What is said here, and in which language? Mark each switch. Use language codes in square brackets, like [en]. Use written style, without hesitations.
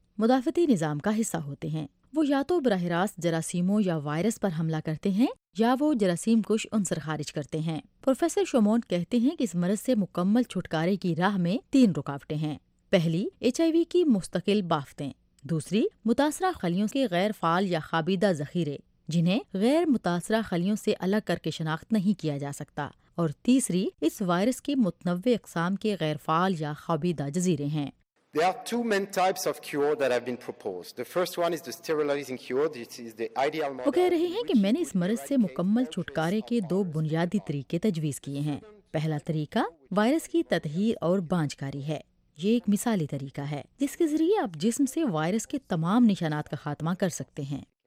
[ur] مدافعتی نظام کا حصہ ہوتے ہیں۔ وہ یا تو براہ راست جراثیموں یا وائرس پر حملہ کرتے ہیں، یا وہ جراثیم کش عنصر خارج کرتے ہیں۔ پروفیسر شومونٹ کہتے ہیں کہ اس مرض سے مکمل چھٹکارے کی راہ میں تین رکاوٹیں ہیں۔ پہلی، ایچ آئی وی کی مستقل بافتیں۔ دوسری، متاثرہ خلیوں کے غیر فعال یا خابیدہ ذخیرے جنہیں غیر متاثرہ خلیوں سے الگ کر کے شناخت نہیں کیا جا سکتا۔ اور تیسری، اس وائرس کے متنوع اقسام کے غیر فعال یا خابیدہ جزیرے ہیں۔ [en] There are two main types of cure that have been proposed. The first one is the sterilizing cure. This is the ideal model. [ur] وہ کہہ رہے ہیں کہ میں نے اس مرض سے مکمل چھٹکارے کے دو بنیادی طریقے تجویز کیے ہیں۔ پہلا طریقہ وائرس کی تطہیر اور بانج کاری ہے۔ یہ ایک مثالی طریقہ ہے جس کے ذریعے آپ جسم سے وائرس کے تمام نشانات کا خاتمہ کر سکتے ہیں۔